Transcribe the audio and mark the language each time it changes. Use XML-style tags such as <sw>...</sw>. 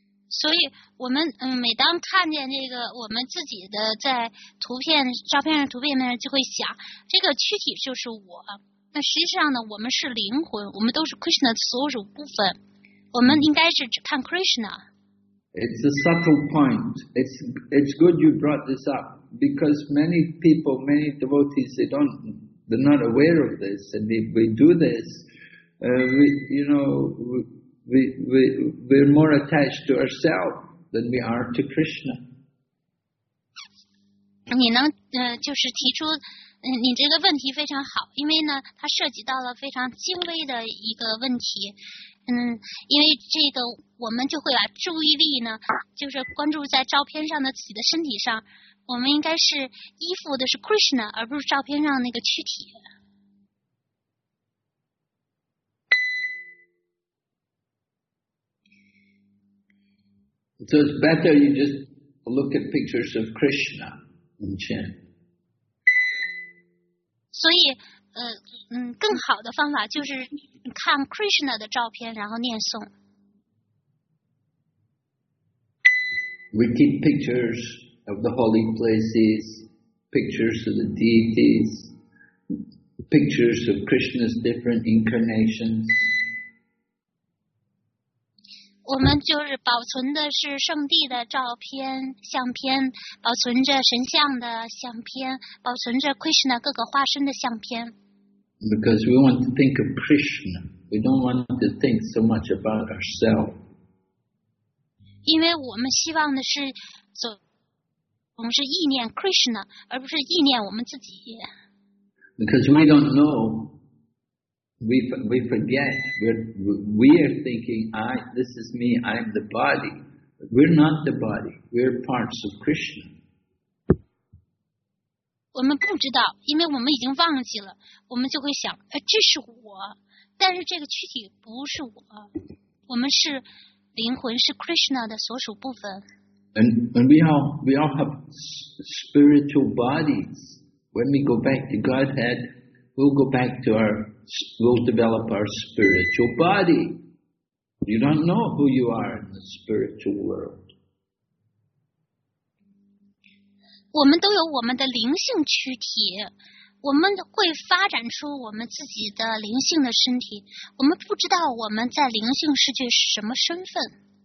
<zh>所以我们每当看见这个我们自己的在图片照片上图片面就会想这个躯体就是我，那实际上呢我们是灵魂，我们都是 Krishna 的所有部分，我们应该是只看 Krishna。</zh> <en>It's a subtle point. It's good you brought this up because many people, many devotees, they're not aware of this, and if we do this, we're more attached to ourselves than we are to Krishna.</en> <zh>你能就是提出你这个问题非常好，因为呢它涉及到了非常精微的一个问题。因为这个我们就会把注意力呢就是关注在照片上的自己的身体上，我们应该是依附的是 Krishna 而不是照片上那个躯体。</zh> <en>So it's better you just look at pictures of Krishna and chant.</en> <zh>所以更好的方法就是看 Krishna 的照片然后念诵。</zh> <en>We keep pictures of the holy places, pictures of the deities, pictures of Krishna's different incarnations.</en> <zh>我们就是保存的是圣地的照片相片，保存着神像的相片，保存着 Krishna 各个化身的相片。</zh> <en>Because we want to think of Krishna, we don't want to think so much about ourselves.</en> <zh>因为我们希望的是总是意念 Krishna, 而不是意念我们自己。</zh> <en>Because we don't know. We forget, we are thinking, this is me, I'm the body. We're not the body, we're parts of Krishna.</en> <zh>我们不知道，因为我们已经忘记了，我们就会想，这是我，但是这个躯体不是我，我们是灵魂，是 Krishna 的所属部分。</zh> <en>And we all have spiritual bodies. When we go back to Godhead, we'll go back to our... We'll develop our spiritual body. You don't know who you are in the spiritual world.</en> <zh>我们都有我们的灵性躯体，我们会发展出我们自己的灵性的身体。我们不知道我们在灵性世界是什么身份。</zh>